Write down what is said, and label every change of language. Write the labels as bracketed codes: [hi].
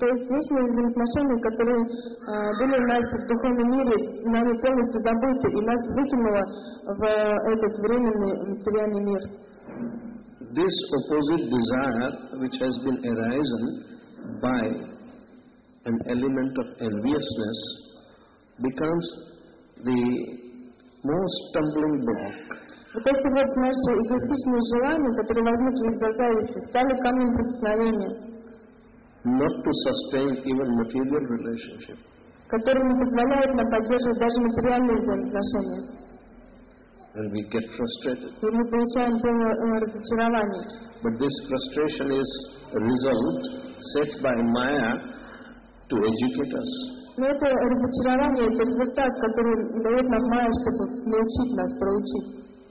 [ru] То есть здесь мы из отношений, которые были у нас в духовном мире, нами полностью забыты, и нас выкинуло в этот временный материальный мир. [en] This opposite desire, which has been arisen by an element of enviousness, becomes the most stumbling block. [ru] Вот эти вот наши эгоистичные желания, которые возникли из-за зависти, стали камнем преткновения. [en] Not to sustain even material relationship. [ru] Которые не позволяют нам поддерживать даже материальные взаимоотношения. [en] And we get frustrated. [ru] И мы получаем полное разочарование. [en] But this frustration is a result set by Maya to educate us. [ru] Но это разочарование, это результат, который дает нам Майя, чтобы научить нас, проучить.